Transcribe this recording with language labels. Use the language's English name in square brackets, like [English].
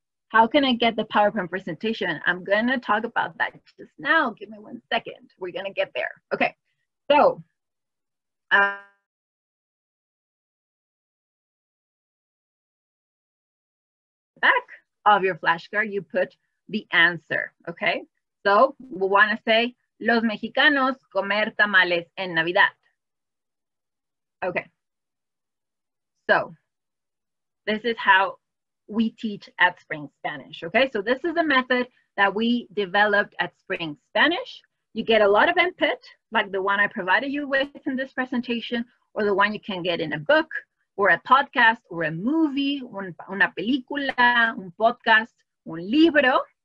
[English] How can I get the PowerPoint presentation? I'm gonna talk about that just now. Give me 1 second. We're gonna get there. Okay, so back of your flashcard, you put the answer, okay? So we wanna say, [Spanish] los mexicanos comer tamales en Navidad. [English] Okay, so this is how we teach at Spring Spanish, okay? So this is a method that we developed at Spring Spanish. You get a lot of input, like the one I provided you with in this presentation, or the one you can get in a book, or a podcast, or a movie, [Spanish] una película, un podcast, un libro.